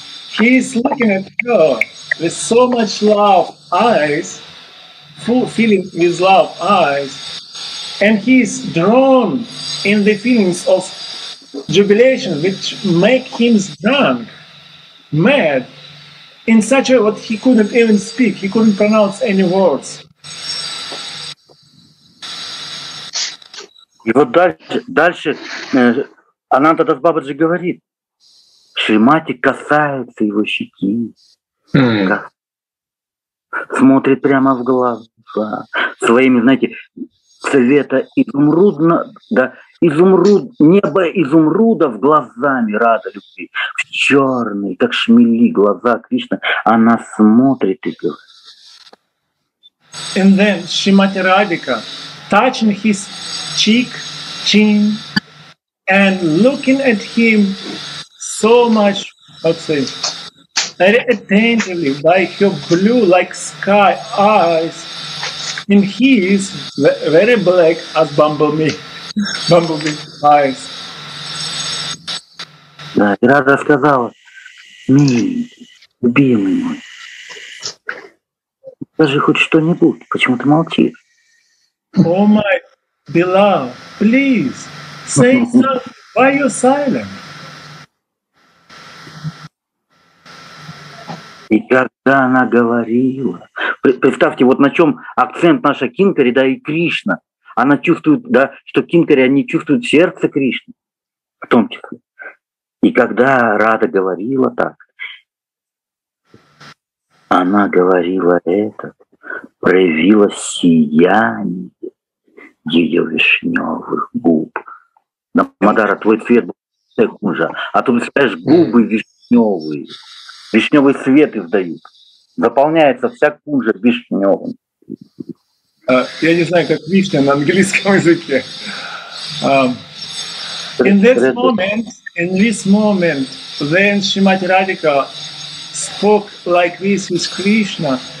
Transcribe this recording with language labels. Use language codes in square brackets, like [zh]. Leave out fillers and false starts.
[en] He is looking at her with so much love eyes, full feeling with love eyes, and he is drawn in the feelings of jubilation, which make him drunk, mad, in such a way that he couldn't even speak, he couldn't pronounce any words. [ru] И вот дальше Ананта Дас Бабаджи говорит, Шримати касается его щеки, смотрит прямо в глаза своими, знаете, цвета изумрудно, да, изумруд, небо изумрудов глазами рада любви, в черные, как шмели глаза Кришна, она смотрит и говорит. [en] And then Шримати Радика touching his cheek, chin, and looking at him so much, let's say, very attentively, by her blue, like sky eyes, and he is very black as bumblebee eyes. [ru] Да, и Рада сказала, любимый мой, скажи хоть что-нибудь, почему ты молчишь? О, мой [en] beloved, please say something. Why are you silent? [ru] И когда она говорила, представьте, вот на чем акцент наша Кинкари, да, и Кришна. Она чувствует, да, что Кинкари, они чувствуют сердце Кришны, в том числе. И когда Рада говорила так, она говорила это, проявила сияние ее вишневых губ. Мадара, твой цвет хуже. А тут, знаешь, губы вишневые. Вишневый свет издают. Заполняется вся кожа вишневым. Я не знаю, как вишня на английском языке. [en] In this moment, then Shrimati Radhika spoke like this with Krishna.